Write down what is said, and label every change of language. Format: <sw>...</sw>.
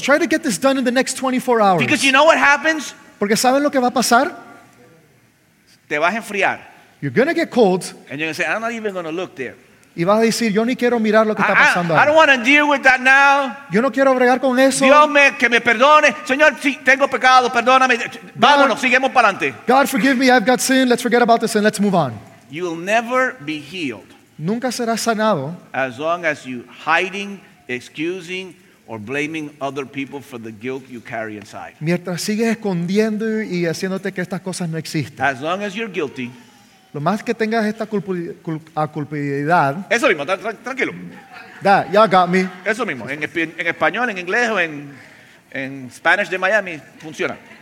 <en>Try to get this done in the next 24 hours. Because you know what happens?</en> <es>Porque saben lo que va a pasar. Te vas a enfriar.</es> <en>You're gonna get cold. And you're gonna say, I'm not even gonna look there.</en> <es>Y vas a decir, yo ni quiero mirar lo que está pasando ahora.</es> <en>I don't want to deal with that now.</en> <es>Yo no quiero bregar con eso. Dios, que me perdone. Señor, sí, tengo pecado, perdóname. Vámonos, sigamos para adelante.</es> <en>God, forgive me, I've got sin. Let's forget about this and let's move on. You'll never be healed.</en> <es>Nunca serás sanado.</es> <en>As long as you hiding, excusing, or blaming other people for the guilt you carry inside.</en> <es>Mientras sigues escondiendo y haciéndote que estas cosas no existen.</es> <en>As long as you're guilty.</en> <es>Lo más que tengas esta culpabilidad. Eso mismo, tranquilo.</es> <en>That, y'all got me.</en> <es>Eso mismo, en español, en inglés o en Spanish de Miami, funciona.</es>